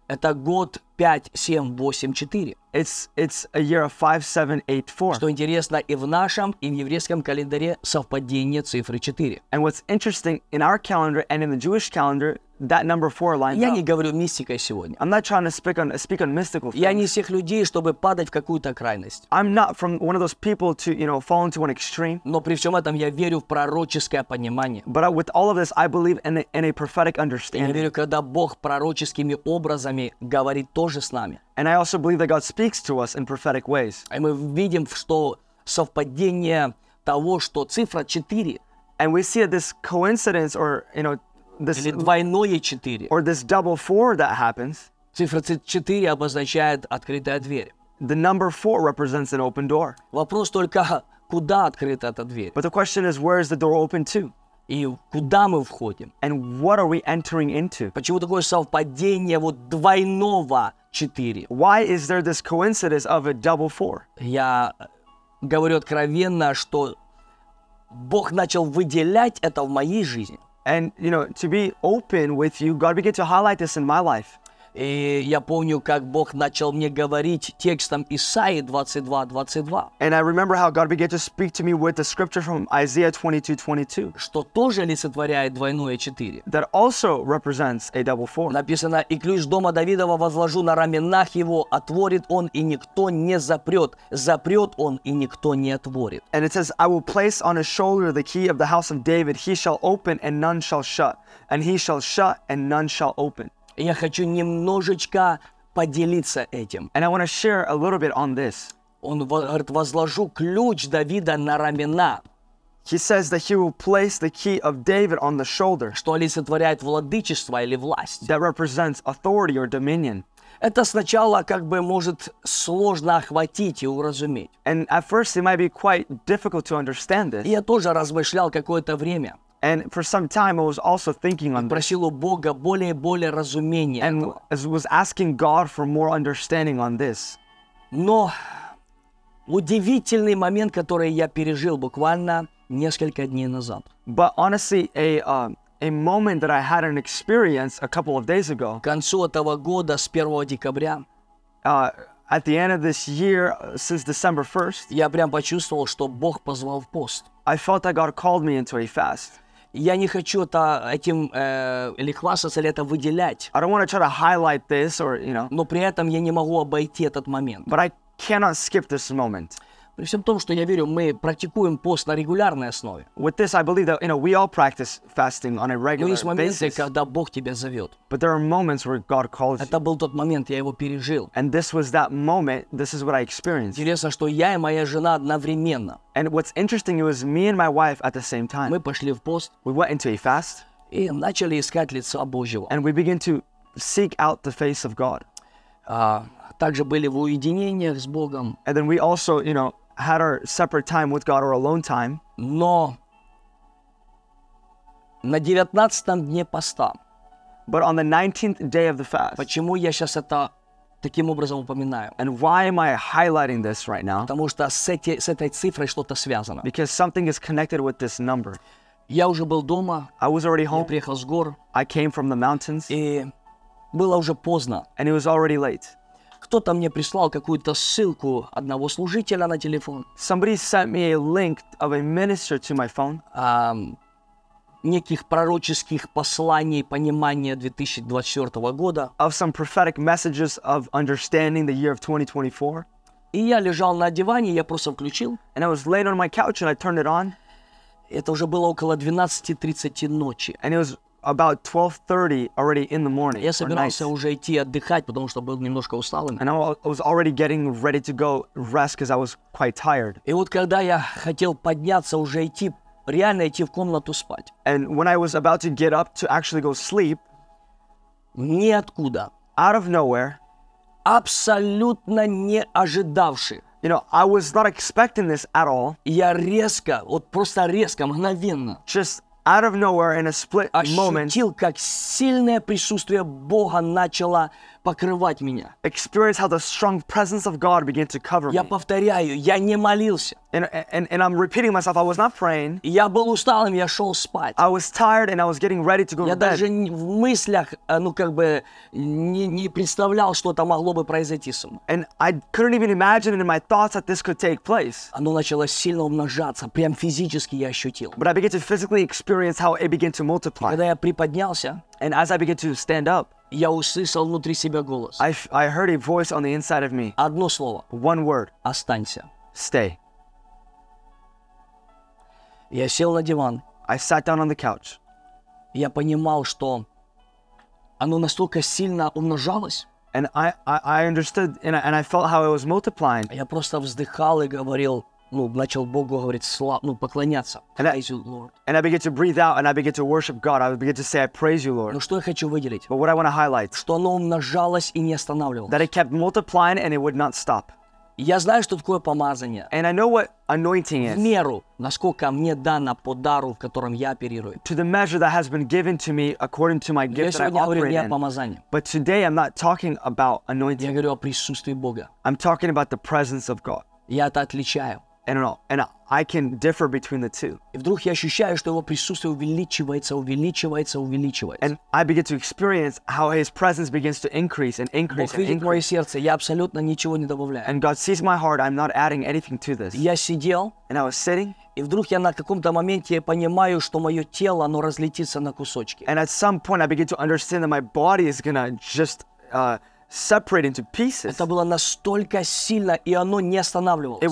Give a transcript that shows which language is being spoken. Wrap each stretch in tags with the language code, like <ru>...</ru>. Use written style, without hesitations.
<ru>Это год 5-7-8-4.</ru> <en>It's a year of 5-7-8-4.</en> <ru>Что интересно, и в нашем, и в еврейском календаре совпадение цифры 4.</ru> <en>And what's interesting, in our calendar and in the Jewish calendar, that number 4 lines up.</en> <ru>Я не говорю мистикой сегодня.</ru> <en>I'm not trying to speak on mystical things.</en> <ru>Я не из тех людей, чтобы падать в какую-то крайность.</ru> <en>I'm not from one of those people to, you know, fall into an extreme.</en> <ru>Но при всем этом я верю в пророческое понимание.</ru> <en>But with all of this, I believe in a prophetic understanding.</en> <ru>Я верю, когда Бог пророческими образами говорит тоже с нами.</ru> <en>And I also believe that God speaks to us in prophetic ways.</en> <ru>И мы видим, что совпадение того, что цифра 4.</ru> <en>And we see that this coincidence or, you know, this,</en> <ru>или двойное 4.</ru> <en>Or this double 4 that happens.</en> <ru>Цифра 4 обозначает открытая дверь.</ru> <en>The number 4 represents an open door.</en> <ru>Вопрос только, куда открыта эта дверь?</ru> <en>But the question is, where is the door open to?</en> <ru>И куда мы входим?</ru> <en>And what are we entering into?</en> <ru>Почему такое совпадение вот двойного 4?</ru> <en>Why is there this coincidence of a double 4?</en> <ru>Я говорю откровенно, что Бог начал выделять это в моей жизни.</ru> <en>And, you know, to be open with you, God began to highlight this in my life.</en> <ru>И я помню, как Бог начал мне говорить текстом Исаии 22:22.</ru> <en>And I remember how God began to speak to me with the scripture from Isaiah 22:22.</en> <ru>Что тоже олицетворяет двойное 4.</ru> <en>That also represents a double 4.</en> <ru>Написано, и ключ дома Давидова возложу на раменах его, отворит он, и никто не запрет. Запрет он, и никто не отворит.</ru> <en>And it says, I will place on his shoulder the key of the house of David. He shall open, and none shall shut. And he shall shut, and none shall open.</en> <ru>Я хочу немножечко поделиться этим.</ru> <en>And I want to share a little bit on this.</en> <ru>Он говорит, возложу ключ Давида на рамена.</ru> <en>He says that he will place the key of David on the shoulder.</en> <ru>Что олицетворяет владычество или власть.</ru> <en>That represents authority or dominion.</en> <ru>Это сначала как бы может сложно охватить и уразуметь.</ru> <en>And at first it might be quite difficult to understand this.</en> <ru>Я тоже размышлял какое-то время.</ru> <en>And for some time, I was also thinking on this.</en> <ru>Более разумения.</ru> <en>And was asking God for more understanding on this.</en> <ru>Но удивительный момент, который я пережил буквально несколько дней назад.</ru> <en>But honestly, a moment that I had an experience a couple of days ago.</en> <ru>К концу этого года, с 1 декабря.</ru> <en>At the end of this year, since December 1st.</en> <ru>Я прям почувствовал, что Бог позвал в пост.</ru> <en>I felt that God called me into a fast.</en> <ru>Я не хочу или хвастаться, или это выделять.</ru> <en>I don't want to try to highlight this, or, you know.</en> <ru>Но при этом я не могу обойти этот момент.</ru> <en>But I cannot skip this moment.</en> <ru>При всем том, что я верю, мы практикуем пост на регулярной основе.</ru> <en>With this, I believe that, you know, we all practice fasting on a regular basis.</en> <ru>Но есть моменты,</ru> <en>basis.</en> <ru>Когда Бог тебя зовет.</ru> <en>But there are moments where God calls</en> <ru>это</ru> <en>you.</en> <ru>Это был тот момент, я его пережил.</ru> <en>And this was that moment, this is what I experienced.</en> <ru>Интересно, что я и моя жена одновременно.</ru> <en>And what's interesting, it was me and my wife at the same time.</en> <ru>Мы пошли в пост.</ru> <en>We went into a fast.</en> <ru>И начали искать лица Божьего.</ru> <en>And we began to seek out the face of God.</en> <ru>Также были в уединениях с Богом.</ru> <en>And then we also, you know, had our separate time with God or alone time.</en> <ru>Но на 19-м дне поста.</ru> <en>But on the 19th day of the fast.</en> <ru>Почему я сейчас это таким образом упоминаю?</ru> <en>And why am I highlighting this right now?</en> <ru>Потому что с этой цифрой что-то связано.</ru> <en>Because something is connected with this number.</en> <ru>Я уже был дома.</ru> <en>I was already home.</en> <ru>Я приехал с гор.</ru> <en>I came from the mountains.</en> <ru>И было уже поздно.</ru> <en>And it was already late.</en> <ru>Кто-то мне прислал какую-то ссылку одного служителя на телефон.</ru> <en>Somebody sent me a link of a minister to my phone.</en> <ru>Неких пророческих посланий, понимания 2024 года.</ru> <en>Of some prophetic messages of understanding the year of 2024.</en> <ru>И я лежал на диване, я просто включил.</ru> <en>And I was laid on my couch and I turned it on.</en> <ru>Это уже было около 12:30 ночи.</ru> <en>And it was about 12:30 already in the morning.</en> <ru>Я собирался уже идти отдыхать, потому что был немножко усталым.</ru> <en>And I was already getting ready to go rest because I was quite tired.</en> <ru>И вот когда я хотел подняться уже идти, реально идти в комнату спать.</ru> <en>And when I was about to get up to actually go sleep,</en> <ru>ниоткуда,</ru> <en>out of nowhere,</en> <ru>абсолютно не ожидавши,</ru> <en>you know, I was not expecting this at all.</en> <ru>Я резко, вот просто резко, мгновенно,</ru> <en>just out of nowhere, in a split moment,</en> <ru>как сильное присутствие Бога начало покрывать меня.</ru> <en>Experience how the strong presence of God began to cover me.</en> <ru>Я повторяю, я не молился.</ru> <en>And I'm repeating myself, I was not praying.</en> <ru>Я был усталым, я шел спать.</ru> <en>I was tired and I was getting ready to go to bed.</en> <ru>Я даже в мыслях, ну как бы, не представлял, что это могло бы произойти со мной.</ru> <en>And I couldn't even imagine in my thoughts that this could take place.</en> <ru>Оно начало сильно умножаться, прям физически я ощутил.</ru> <en>But I began to physically experience how it began to multiply.</en> <ru>Когда я приподнялся,</ru> <en>and as I began to stand up,</en> <ru>я услышал внутри себя голос.</ru> <en>I heard a voice on the inside of me.</en> <ru>Одно слово.</ru> <en>One word.</en> <ru>Останься.</ru> <en>Stay.</en> <ru>Я сел на диван.</ru> <en>I sat down on the couch.</en> <ru>Я понимал, что оно настолько сильно умножалось.</ru> <en>And I understood and I felt how it was multiplying.</en> <ru>Я просто вздыхал и говорил, ну, начал Богу говорить слава, ну, поклоняться.</ru> <en>Praise you, Lord. And I began to breathe out and I began to worship God. I began to say, I praise you, Lord.</en> <ru>Но что я хочу выделить?</ru> <en>But what I want to highlight.</en> <ru>Что оно умножалось и не останавливалось.</ru> <en>That it kept multiplying and it would not stop.</en> <ru>Я знаю, что такое помазание.</ru> <en>And I know what anointing is.</en> <ru>В меру, насколько мне дано по дару, в котором я оперирую.</ru> <en>To the measure that has been given to me according to my gift that I operate in.</en> <ru>Я сегодня говорю не о помазании.</ru> <en>But today I'm not talking about anointing.</en> <ru>Я говорю о присутствии Бога.</ru> <en>I'm talking about the presence of God.</en> <ru>Я это отличаю.</ru> <en>And I can differ between the two.</en> <ru>И вдруг я ощущаю, что его присутствие увеличивается, увеличивается, увеличивается.</ru> <en>And I begin to experience how his presence begins to increase and increase and increase.</en> <ru>Бог видит мое сердце, я абсолютно ничего не добавляю.</ru> <en>And God sees my heart, I'm not adding anything to this.</en> <ru>Я сидел.</ru> <en>And I was sitting.</en> <ru>И вдруг я на каком-то моменте понимаю, что мое тело, оно разлетится на кусочки.</ru> <en>And at some point I begin to understand that my body is gonna just separate into pieces.</en> <ru>Это было настолько сильно, и оно не останавливалось.</ru>